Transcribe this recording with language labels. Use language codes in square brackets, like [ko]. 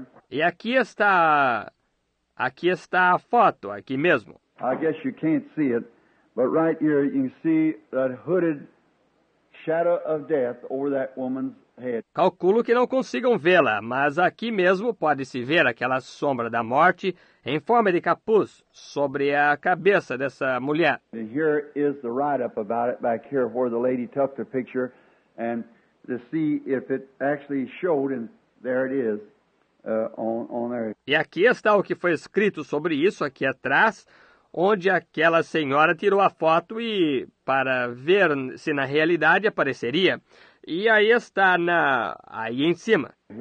[pt] E aqui está a foto, aqui mesmo. [en] I guess you can't see it. But right here, you can see that hooded shadow of death over that woman's head. [pt] Calculo que não consigam vê-la, mas aqui mesmo pode-se ver aquela sombra da morte em forma de capuz sobre a cabeça dessa mulher. [en] And here is the write-up about it back here where the lady took the picture and to see if it actually showed, and there it is on there. [pt] E aqui está o que foi escrito sobre isso aqui atrás, onde aquela senhora tirou a foto e para ver se na realidade apareceria. E aí está aí em cima.